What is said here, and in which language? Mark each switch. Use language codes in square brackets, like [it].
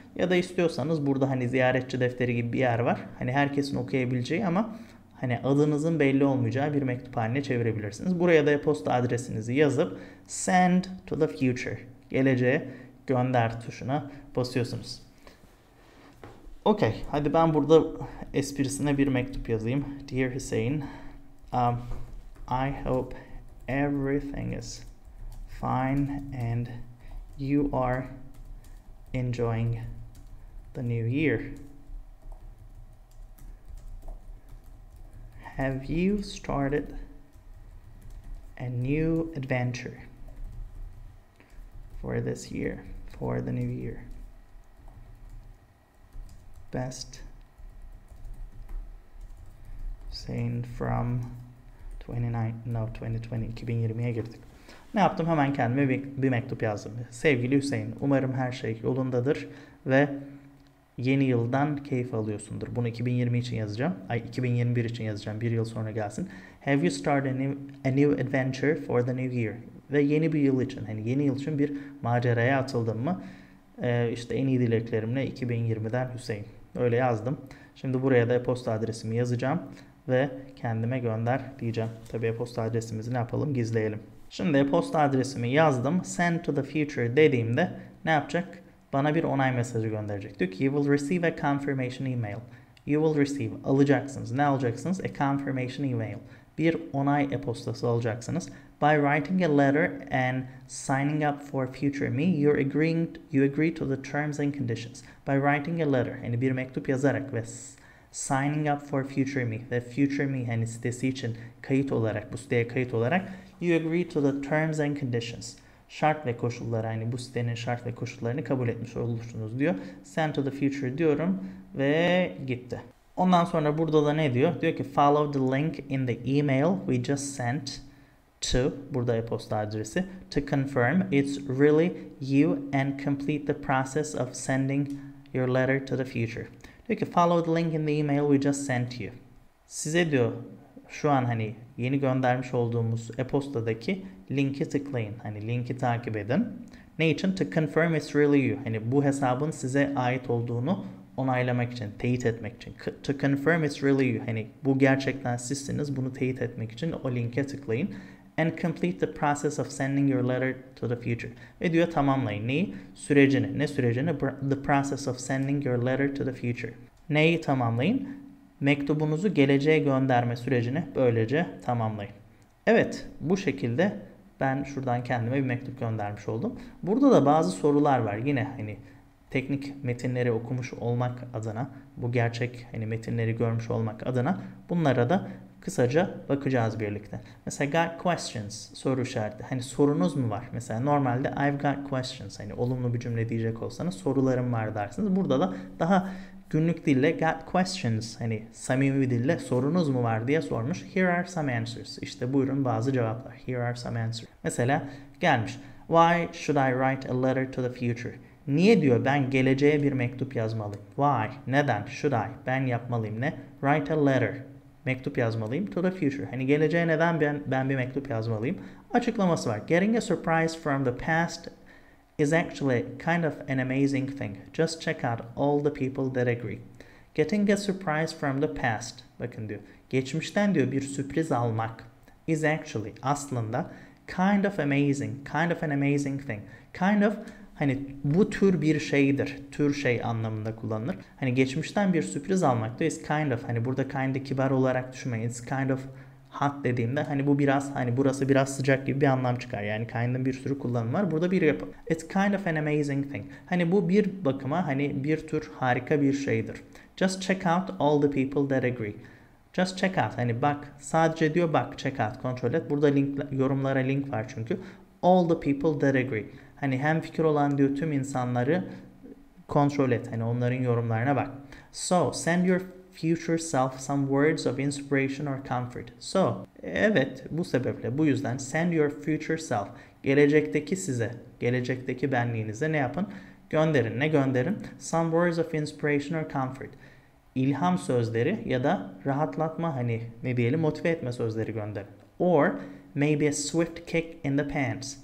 [tr] Ya da istiyorsanız burada hani ziyaretçi defteri gibi bir yer var. Hani herkesin okuyabileceği ama hani adınızın belli olmayacağı bir mektup haline çevirebilirsiniz. Buraya da posta adresinizi yazıp [en] send to the future, [tr] geleceğe gönder tuşuna basıyorsunuz. Okay, hadi ben burada esprisine bir mektup yazayım. [en] Dear Hüseyin, I hope everything is fine and you are enjoying the new year. Have you started a new adventure for this year, for the new year? Best saying from [tr] 2020'ye girdik. Ne yaptım? Hemen kendime bir mektup yazdım. Sevgili Hüseyin, umarım her şey yolundadır ve yeni yıldan keyif alıyorsundur. Bunu 2020 için yazacağım. Ay, 2021 için yazacağım. Bir yıl sonra gelsin. [en] Have you started a new adventure for the new year? [tr] Ve yeni bir yıl için, hani yeni yıl için bir maceraya atıldın mı? İşte en iyi dileklerimle 2020'den Hüseyin. Öyle yazdım. Şimdi buraya da e-posta adresimi yazacağım ve kendime gönder diyeceğim. Tabii e-posta adresimizi ne yapalım? Gizleyelim. Şimdi e-posta adresimi yazdım. [en] Send to the future [tr] dediğimde ne yapacak? Bana bir onay mesajı gönderecek. Diyor ki, [en] you will receive a confirmation email. You will receive, [tr] alacaksınız. Ne alacaksınız? [en] A confirmation email. [tr] Bir onay e-postası alacaksınız. [en] By writing a letter and signing up for future me, you agree to the terms and conditions. By writing a letter, [tr] hani bir mektup yazarak ve [en] signing up for future me, [tr] ve future me hani sitesi için kayıt olarak, [en] bu siteye kayıt olarak, you agree to the terms and conditions. [tr] Şart ve koşulları, hani bu sitenin şart ve koşullarını kabul etmiş olursunuz diyor. [en] Send to the future [tr] diyorum ve gitti. Ondan sonra burada da ne diyor? Diyor ki, [en] follow the link in the email we just sent to, [tr] burada e-posta adresi, [en] to confirm it's really you and complete the process of sending your letter to the future. [tr] Diyor ki, [en] follow the link in the email we just sent you. [tr] Size diyor, şu an hani yeni göndermiş olduğumuz e-postadaki linki tıklayın. Hani linki takip edin. Ne için? [en] To confirm it's really you. [tr] Hani bu hesabın size ait olduğunu onaylamak için, teyit etmek için. [en] To confirm it's really you. [tr] Hani bu gerçekten sizsiniz, bunu teyit etmek için o linke tıklayın. [en] And complete the process of sending your letter to the future. [tr] Ve diyor tamamlayın. Neyi? Sürecini. Ne sürecini? [en] The process of sending your letter to the future. [tr] Neyi tamamlayın? Mektubunuzu geleceğe gönderme sürecini böylece tamamlayın. Evet, bu şekilde ben şuradan kendime bir mektup göndermiş oldum. Burada da bazı sorular var. Yine hani teknik metinleri okumuş olmak adına, bu gerçek hani metinleri görmüş olmak adına bunlara da kısaca bakacağız birlikte. Mesela [en] got questions, [tr] soru işareti. Hani sorunuz mu var? Mesela normalde [en] I've got questions, [tr] hani olumlu bir cümle diyecek olsanız sorularım var dersiniz. Burada da daha günlük dille [en] got questions, [tr] hani samimi bir dille sorunuz mu var diye sormuş. [en] Here are some answers. [tr] İşte buyurun bazı cevaplar. [en] Here are some answers. [tr] Mesela gelmiş. [en] Why should I write a letter to the future? [tr] Niye diyor ben geleceğe bir mektup yazmalıyım? [en] Why? [tr] Neden? [en] Should I? [tr] Ben yapmalıyım ne? [en] Write a letter. [tr] Mektup yazmalıyım. [en] To the future. [tr] Hani geleceğe neden ben bir mektup yazmalıyım? Açıklaması var. [en] Getting a surprise from the past is actually kind of an amazing thing. Just check out all the people that agree. Getting a surprise from the past. [tr] Bakın diyor. Geçmişten diyor bir sürpriz almak. [en] Is actually. [tr] Aslında. [en] Kind of amazing. Kind of an amazing thing. Kind of. [tr] Hani bu tür bir şeydir. Tür şey anlamında kullanılır. Hani geçmişten bir sürpriz almak da [en] is kind of. [tr] Hani burada kind of kibar olarak düşünmeyin. [en] It's kind of hot [tr] dediğimde hani bu biraz, hani burası biraz sıcak gibi bir anlam çıkar. Yani kind'ın bir sürü kullanımı var. Burada bir yapı. [en] It's kind of an amazing thing. [tr] Hani bu bir bakıma hani bir tür harika bir şeydir. [en] Just check out all the people that agree. Just check out. [tr] Hani bak, sadece diyor bak, [en] check out, [tr] kontrol et. Burada link, yorumlara link var çünkü. [en] All the people that agree. [tr] Hani hemfikir olan diyor tüm insanları kontrol et. Hani onların yorumlarına bak. [en] So send your [tr] future self some words of inspiration or comfort. So, evet, bu sebeple, bu yüzden [en] send your future self, [tr] gelecekteki size, gelecekteki benliğinize ne yapın? Gönderin. Ne gönderin? [en] Some words of inspiration or comfort. [tr] İlham sözleri ya da rahatlatma, hani ne diyelim, motive etme sözleri gönderin. [en] Or maybe a swift kick in the pants.